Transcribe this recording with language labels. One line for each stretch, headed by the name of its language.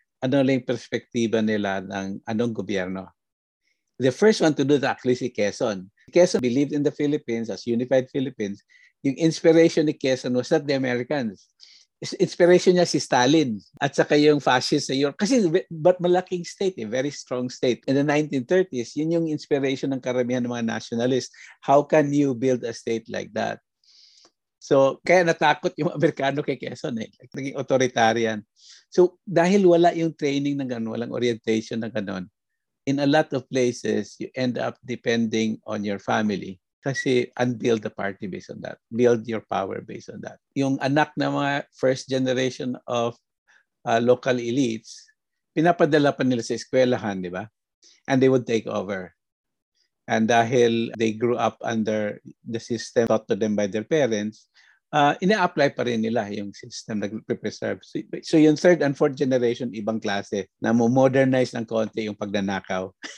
Filipino: Ano lang yung perspektiba nila ng anong gobyerno.
English: The first one to do that, actually, si Quezon. Quezon believed in the Philippines as unified Philippines.
Filipino: Yung inspiration ni Quezon
English: was not the Americans.
Filipino: Inspiration niya si Stalin at saka yung fascist sa Europe. Kasi but malaking state,
English: a very strong state. In the 1930s,
Filipino: yun yung inspiration ng karamihan ng mga nationalists.
English: How can you build a state like that?
Filipino: So, kaya natakot yung Amerikano kay Quezon eh. Like, naging authoritarian.
English: So,
Filipino: dahil wala yung training ng ganun,
English: walang orientation ng ganun, in a lot of places, you end up depending on your family. Kasi unbuild the party based on that. Build your power based on that.
Filipino: Yung anak ng mga first generation of local elites, pinapadala pa nila sa eskwelahan, di ba?
English: And they would take over. And dahil they grew up under the system taught to them by their parents,
Filipino: ina-apply pa rin nila yung system na preserve. So yung
English: third and fourth generation,
Filipino: ibang klase, na mo-modernize ng konti yung pagnanakaw.